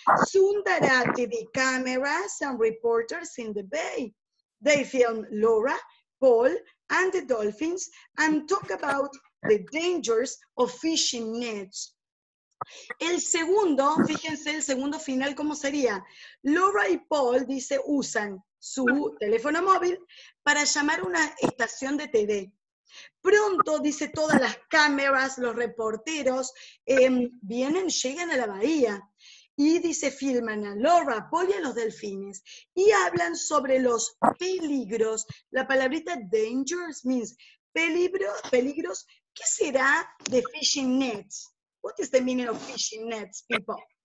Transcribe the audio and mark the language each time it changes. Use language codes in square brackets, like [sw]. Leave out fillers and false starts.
[en] Soon there are TV cameras and reporters in the bay. They film Laura, Paul, and the dolphins and talk about the dangers of fishing nets. [es] El segundo, fíjense, el segundo final, ¿cómo sería? Laura y Paul, dice, usan su teléfono móvil para llamar a una estación de TV. Pronto, dice, todas las cámaras, los reporteros, vienen, llegan a la bahía y, dice, filman a Laura, Paul y a los delfines y hablan sobre los peligros. La palabrita [en] dangerous means [es] peligros, peligros. ¿Qué será de [en] fishing nets? What is the meaning of fishing nets, people?